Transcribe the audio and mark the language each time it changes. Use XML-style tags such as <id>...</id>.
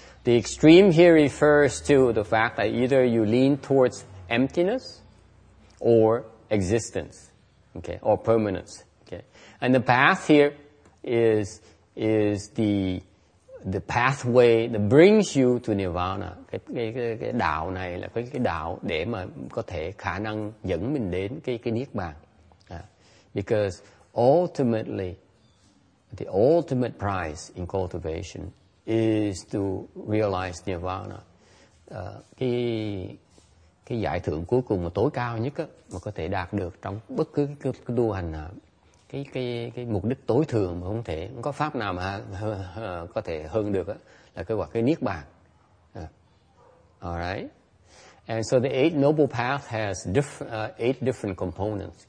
<en>The extreme here refers to the fact that either you lean towards emptiness or existence, okay, or permanence, okay. And the path here is the pathway that brings you to nirvana.</en> <vi>Cái đạo này là cái đạo để mà có thể khả năng dẫn mình đến cái niết bàn.</vi> <en>Because ultimately, the ultimate prize in cultivation is to realize nirvana.</en> <vi>Cái giải thưởng cuối cùng mà tối cao nhất á, mà có thể đạt được trong bất cứ cái tu hành nào, cái mục đích tối thượng mà không thể, không có pháp nào mà có thể hơn được á, là cái niết bàn.</vi> <en>Alright. And so the Eight Noble Path has eight different components.</en>